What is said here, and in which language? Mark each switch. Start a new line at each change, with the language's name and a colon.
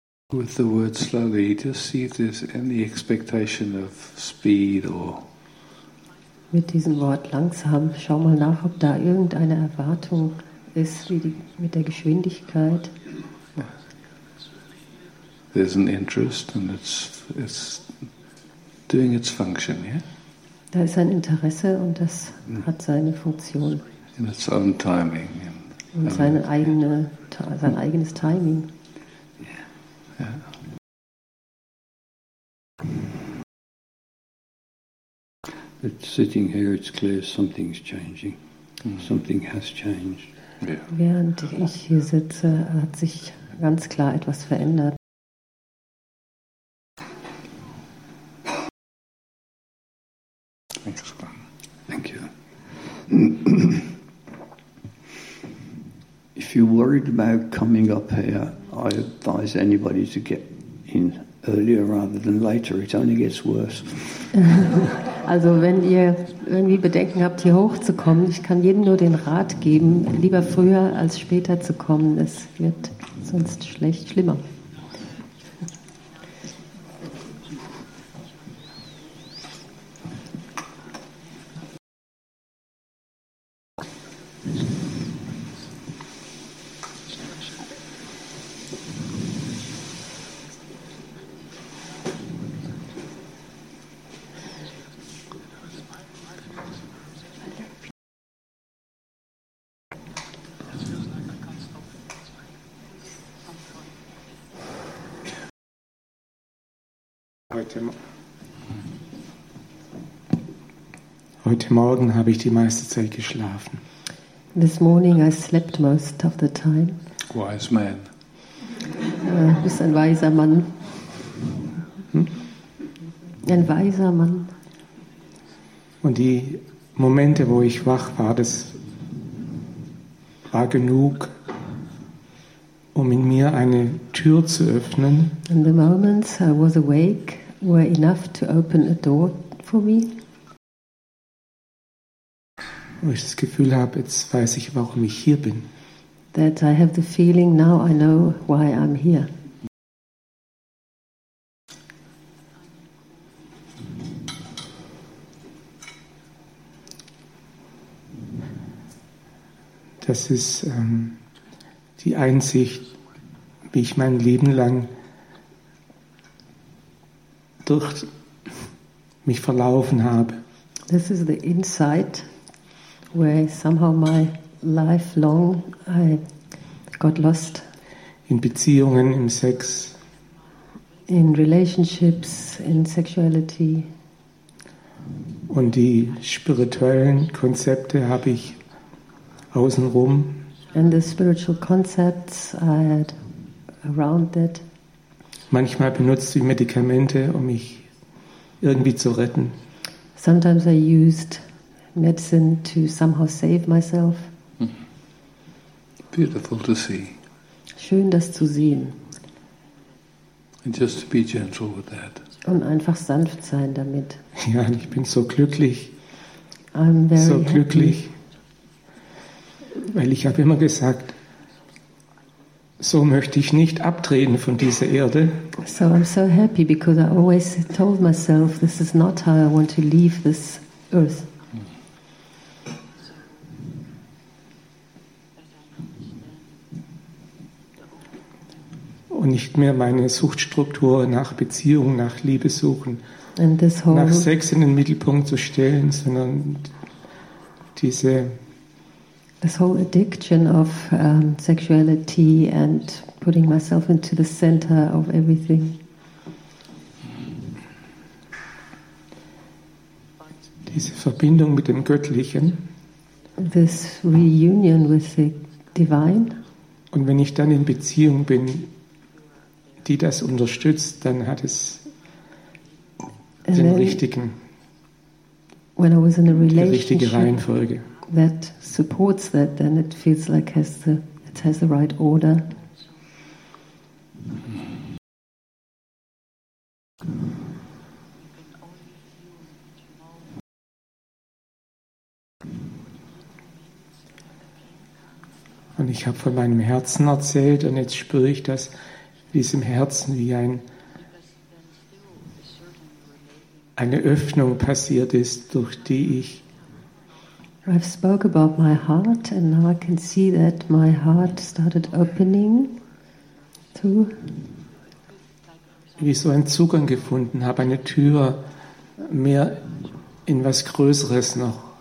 English: With the word slowly, just see if there's any expectation of speed or...
German: Mit diesem Wort langsam, schau mal nach, ob da irgendeine Erwartung ist, wie die, mit der Geschwindigkeit...
English: There's an interest and it's doing its function, yeah?
German: Da ist ein Interesse und das hat seine Funktion.
English: In its own timing.
German: Und seine eigene, sein eigenes Timing.
English: Yeah. Yeah. But sitting here, it's clear something's changing. Something has changed. Yeah.
German: Während ich hier sitze, hat sich ganz klar etwas verändert.
English: Thank you. If you're worried about coming up here, I advise anybody to get in earlier rather than later. It only gets worse.
German: Also wenn ihr irgendwie Bedenken habt, hier hochzukommen, ich kann jedem nur den Rat geben, lieber früher als später zu kommen. Es wird sonst schlimmer. Heute Morgen habe ich die meiste Zeit geschlafen.
English: This morning I slept most of the time. Wise man.
German: Du bist ein weiser Mann. Ein weiser Mann. Und die Momente, wo ich wach war, das war genug, um in mir eine Tür zu öffnen.
English: And the moments I was awake were enough to open a door for me.
German: Wo ich das Gefühl habe, jetzt weiß ich, warum ich hier bin.
English: That I have the feeling now I know why I'm here.
German: Das ist die Einsicht, wie ich mein Leben lang durch mich verlaufen habe.
English: This is the insight where somehow my life long I got lost.
German: In Beziehungen, im Sex.
English: In relationships, in sexuality.
German: Und die spirituellen Konzepte habe ich außenrum.
English: And the spiritual concepts I had around that.
German: Manchmal benutzt ich Medikamente, um mich irgendwie zu retten.
English: Sometimes I used medicine to somehow save myself. Beautiful to see.
German: Schön, das zu sehen.
English: And just to be gentle with that.
German: Und einfach sanft sein damit. Ja, ich bin so glücklich.
English: I'm very
German: so glücklich.
English: Happy.
German: Weil ich habe immer gesagt, so möchte ich nicht abtreten von dieser Erde.
English: So I'm so happy because I always told myself this is not how I want to leave this earth.
German: Und nicht mehr meine Suchtstruktur nach Beziehung, nach Liebe suchen, nach Sex in den Mittelpunkt zu stellen, sondern diese
English: this whole addiction of sexuality and putting myself into the center of everything.
German: Diese Verbindung mit dem Göttlichen.
English: This reunion with the divine.
German: Und wenn ich dann in Beziehung bin, die das unterstützt, dann hat es den richtigen,
English: when I was in a relationship,
German: die richtige Reihenfolge.
English: That supports that, then it feels like it has the right order.
German: Und ich habe von meinem Herzen erzählt, und jetzt spüre ich das, wie es im Herzen wie eine Öffnung passiert ist, durch die ich
English: I've spoke about my heart, and now I can see that my heart started opening to.
German: Wie ich so einen Zugang gefunden habe, eine Tür mehr in was Größeres noch.